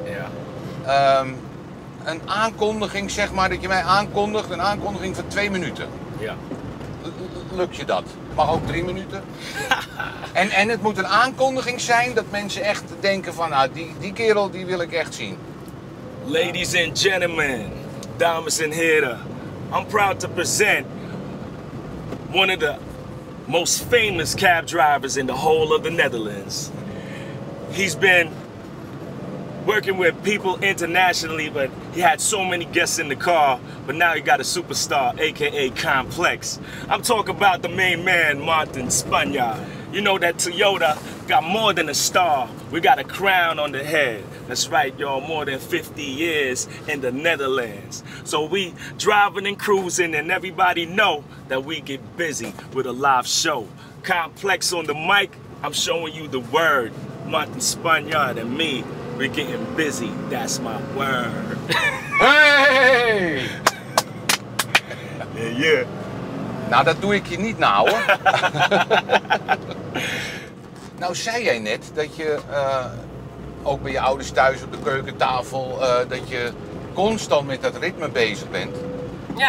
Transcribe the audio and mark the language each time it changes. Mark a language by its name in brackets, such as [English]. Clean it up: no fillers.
[Dutch] Ja. Een aankondiging, zeg maar, dat je mij aankondigt, een aankondiging van 2 minuten. Ja. lukt je dat. Mag ook 3 minuten. En het moet een aankondiging zijn dat mensen echt denken van, nou, die kerel die wil ik echt zien. [English] Ladies and gentlemen, [Dutch] dames en heren, [English] I'm proud to present one of the most famous cab drivers in the whole of the Netherlands. He's been working with people internationally, but he had so many guests in the car, but now he got a superstar, aka Complex. I'm talking about the main man, Martin Spanja. You know that Toyota got more than a star, we got a crown on the head. That's right, y'all, more than 50 years in the Netherlands. So we driving and cruising, and everybody know that we get busy with a live show. Complex on the mic, I'm showing you the word. Martin Spanja and me, we're getting busy, that's my word. Hey! Yeah, yeah. [Dutch] Nou, dat doe ik je niet na, hoor. Nou, zei jij net dat je ook bij je ouders thuis op de keukentafel, dat je constant met dat ritme bezig bent. Ja.